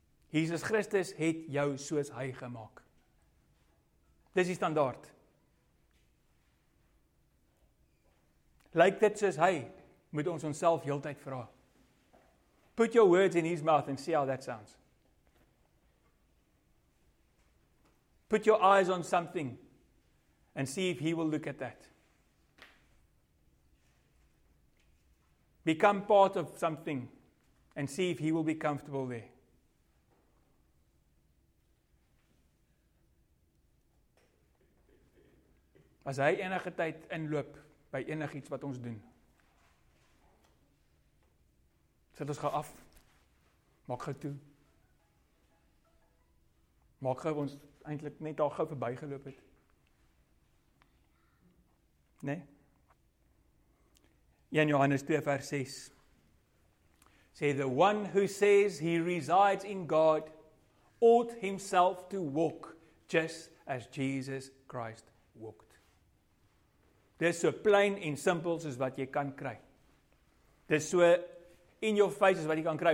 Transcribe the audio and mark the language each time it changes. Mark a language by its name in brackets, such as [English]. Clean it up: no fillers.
[Afrikaans] Jesus Christus het jou soos hy gemaak. Dis die standaard. Lyk dit soos hy, moet ons onsself heeltyd vra. [English] Put your words in his mouth and see how that sounds. Put your eyes on something and see if he will look at that. Become part of something and see if he will be comfortable there. [Afrikaans] As hy enige tyd inloop by enigiets wat ons doen, sit ons gou af, maak gou toe, maak gou ons eintlik net daar gou verby geloop het. Nee? 1 Johannes 2 vers 6 sê, [English] the one who says he resides in God ought himself to walk just as Jesus Christ walked. [Afrikaans] Dis so plain en simpel soos wat jy kan kry. Dis so [English] in your face [Afrikaans] soos wat jy kan kry.